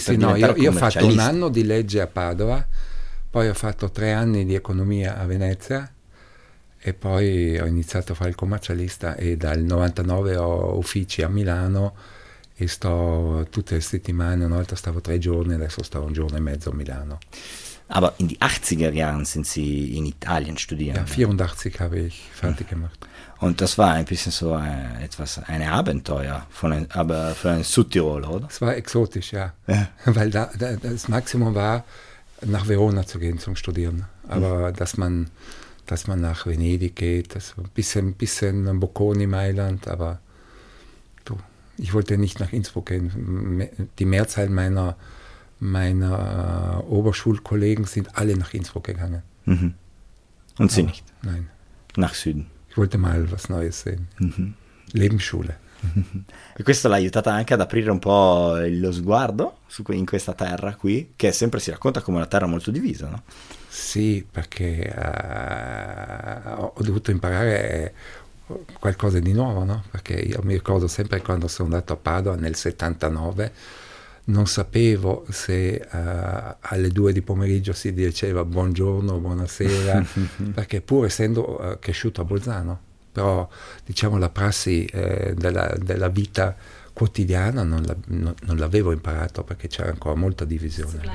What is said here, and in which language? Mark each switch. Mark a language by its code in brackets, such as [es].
[it] sì, no, io ho fatto un anno di legge a Padova, poi ho fatto 3 anni di economia a Venezia e poi ho iniziato a fare il commercialista e dal 99 ho uffici a Milano e sto tutte le settimane, una volta stavo 3 giorni, adesso sto 1 giorno e mezzo a Milano. [de] Aber in die 80er Jahren sind Sie in Italien studieren? Ja, 84 habe ich fertig gemacht. Und das war ein bisschen so ein Abenteuer für einen Südtiroler, oder? Es war exotisch, ja. Weil das Maximum war, nach Verona zu gehen zum Studieren. Aber dass man nach Venedig geht, das war ein bisschen Bocconi, Mailand, aber du, ich wollte nicht nach Innsbruck gehen. Die Mehrzahl meiner Oberschulkollegen sind alle nach Innsbruck gegangen. Mhm. Und Sie nicht? Nein. Nach Süden? Ich wollte mal was Neues sehen. Mhm. Lebensschule. [it] E questo l'ha aiutata anche ad aprire un po' lo sguardo in questa terra qui, che sempre si racconta come una terra molto divisa, no? Sì, perché ho dovuto imparare qualcosa di nuovo, no? Perché io mi ricordo sempre quando sono andato a Padova nel 79, non sapevo se alle 2 di pomeriggio si diceva buongiorno, buonasera, perché pur essendo cresciuto a Bolzano, però diciamo la prassi della vita quotidiana non l'avevo imparato perché c'era ancora molta divisione.